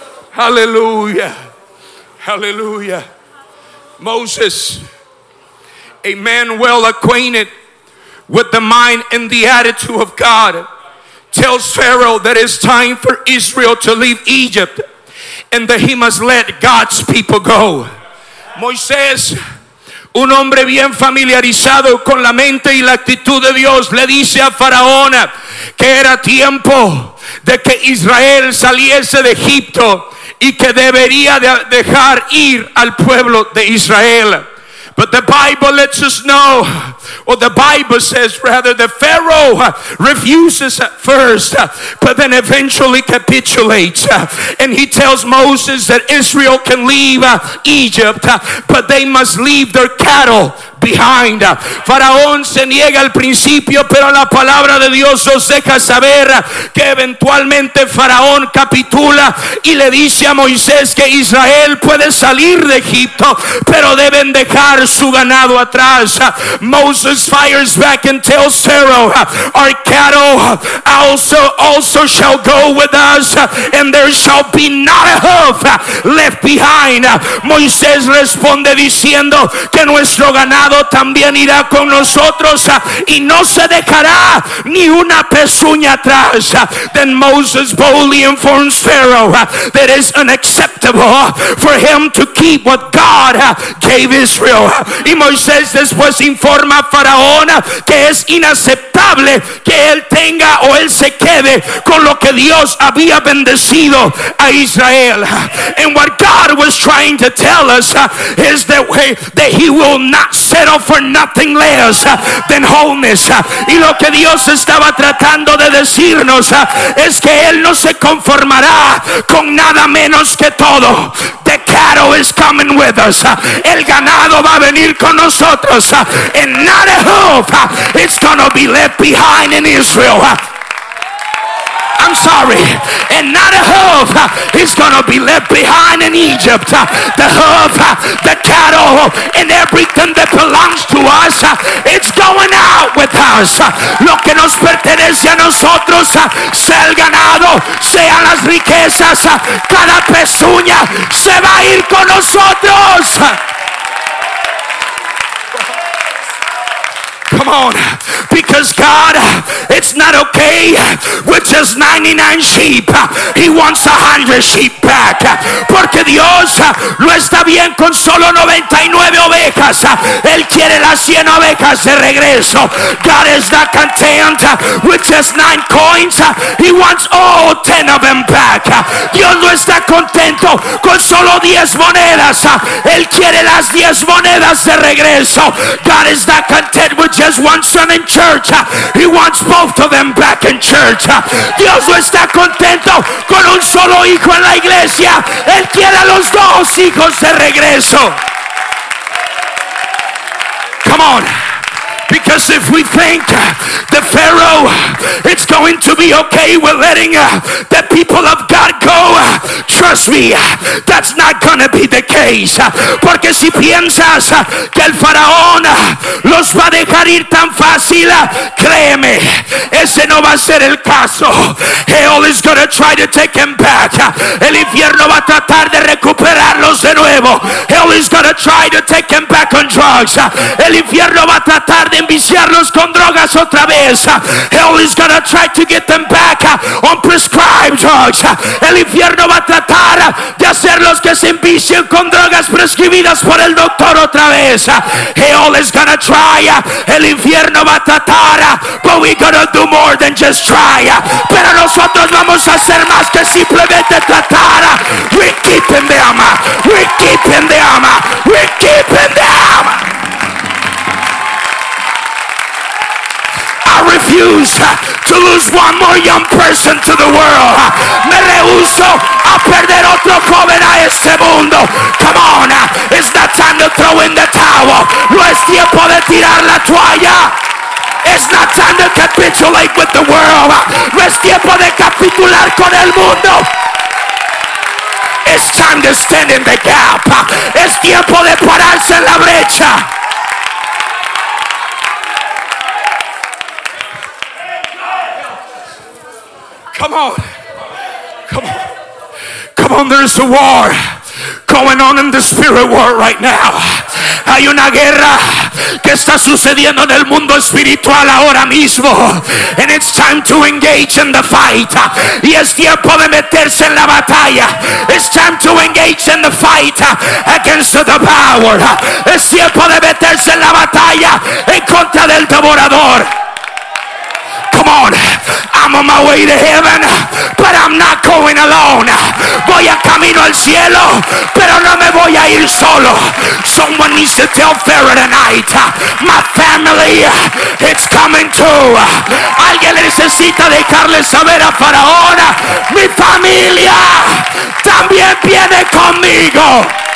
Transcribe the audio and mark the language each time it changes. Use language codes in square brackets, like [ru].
[en] Hallelujah. Hallelujah. Moses, a man well acquainted with the mind and the attitude of God, tells Pharaoh that it's time for Israel to leave Egypt and that he must let God's people go. [es] Moisés, un hombre bien familiarizado con la mente y la actitud de Dios, le dice a Faraón que era tiempo de que Israel saliese de Egipto y que debería de dejar ir al pueblo de Israel. [en] But the Bible lets us know, or the Bible says rather, that Pharaoh refuses at first, but then eventually capitulates. And he tells Moses that Israel can leave Egypt, but they must leave their cattle behind. [es] Faraón se niega al principio, pero la palabra de Dios nos deja saber que eventualmente Faraón capitula y le dice a Moisés que Israel puede salir de Egipto, pero deben dejar su ganado atrás. [en] Moses fires back and tells Pharaoh, our cattle also shall go with us, and there shall be not a hoof left behind. [es] Moisés responde diciendo que nuestro ganado también irá con nosotros y no se dejará ni una pezuña atrás. [en] Then Moses boldly informs Pharaoh that it is unacceptable for him to keep what God gave Israel. [es] Y Moisés después informa a Faraón que es inaceptable que él tenga o él se quede con lo que Dios había bendecido a Israel. [en] And what God was trying to tell us is the way that he will not settle for nothing less than wholeness. [es] Y lo que Dios estaba tratando de decirnos es que él no se conformará con nada menos que todo. [en] The cattle is coming with us. [es] El ganado va a venir con nosotros. [en] And not a hoof it's gonna be left behind in Israel. I'm sorry, and not a hoof is going to be left behind in Egypt. The hoof, the cattle, and everything that belongs to us, it's going out with us. [es] Lo que nos pertenece a nosotros, sea el ganado, sea las riquezas, cada pezuña se va a ir con nosotros. [en] Come on, because God, it's not okay with just 99 sheep. He wants 100 sheep back. [es] Porque Dios no está bien con solo 99 ovejas. Él quiere las 100 ovejas de regreso. [en] God is not content with just 9 coins. He wants all 10 of them back. [es] Dios no está contento con solo 10 monedas. Él quiere las 10 monedas de regreso. [en] God is not content with just one son in church. He wants both of them back in church. [es] Dios no está contento con un solo hijo en la iglesia. Él quiere a los dos hijos de regreso. [en] Come on. Because if we think the Pharaoh it's going to be okay with letting the people of God go, trust me, that's not gonna be the case. [es] Porque si piensas que el faraón los va a dejar ir tan fácil, créeme, ese no va a ser el caso. [en] Hell is gonna try to take him back. [es] El infierno va a tratar de recuperarlos de nuevo. [en] Hell is gonna try to take him back on drugs. [es] El infierno va a tratar de enviciarlos con drogas otra vez. [en] Hell is gonna try to get them back on prescribed drugs. [es] El infierno va a tratar de hacerlos que se envicien con drogas prescribidas por el doctor otra vez. [en] Hell is gonna try. [es] El infierno va a tratar. [en] But we gonna do more than just try. [es] Pero nosotros vamos a hacer más que simplemente tratar. [en] We keeping them. We keeping them. We keeping them. I refuse to lose one more young person to the world. [es] Me rehuso a perder otro joven a este mundo. [en] Come on, it's not time to throw in the towel. [es] No es tiempo de tirar la toalla. [en] It's not time to capitulate with the world. [es] No es tiempo de capitular con el mundo. [en] It's time to stand in the gap. [es] Es tiempo de pararse en la brecha. [en] Come on, come on, come on, there's a war going on in the spirit world right now. [es] Hay una guerra que está sucediendo en el mundo espiritual ahora mismo. [en] And it's time to engage in the fight. [es] Y es tiempo de meterse en la batalla. [en] It's time to engage in the fight against the power. [es] Es tiempo de meterse en la batalla en contra del devorador. [en] Come on, I'm on my way to heaven, but I'm not going. going alone. [es] Voy a camino al cielo, pero no me voy a ir solo. [en] Someone needs to tell Pharaoh tonight, my family, it's coming too. [es] Alguien necesita dejarle saber a Faraón, mi familia también viene conmigo.